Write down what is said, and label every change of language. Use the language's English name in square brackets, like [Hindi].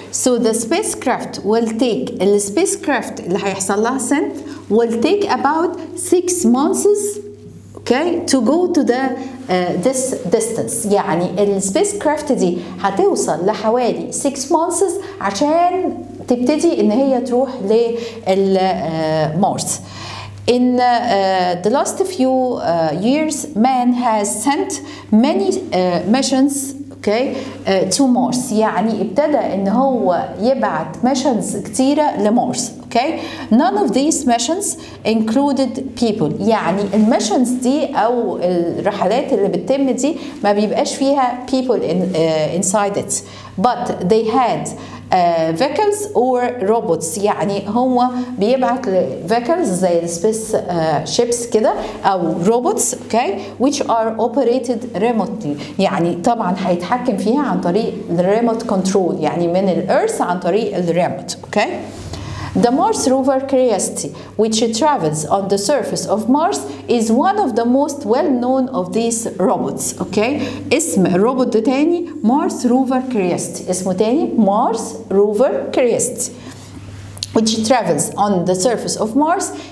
[English] So the spacecraft will take the spacecraft [Arabic] اللي هيحصل لها [English] send will take about 6 months okay to go to the this distance. [Arabic] يعني السبيسكرافت دي هتوصل لحوالي 6 months عشان تبتدي ان هي تروح للمارس. [English] In the last few years man has sent many missions okay to Mars. [Arabic] يعني ابتدى ان هو يبعت missions كتيرة لمارس. Okay. [English] None of these missions included people. [Arabic] يعني الميشنز دي أو الرحلات اللي بتتم دي ما بيبقاش فيها [English] people in, inside it. But they had vehicles or robots. [Arabic] يعني هو بيبعت vehicles زي space ships كده أو robots. Okay. [English] Which are operated remotely. [Arabic] يعني طبعا هيتحكم فيها عن طريق remote control. يعني من الأرث عن طريق الريموت. [English] Okay. The Mars rover Curiosity, which travels on the surface of Mars, is one of the most well-known of these robots. [Arabic] Okay, اسم الروبوت تاني Mars rover Curiosity. اسمه تاني Mars rover Curiosity, [English] which travels on the surface of Mars.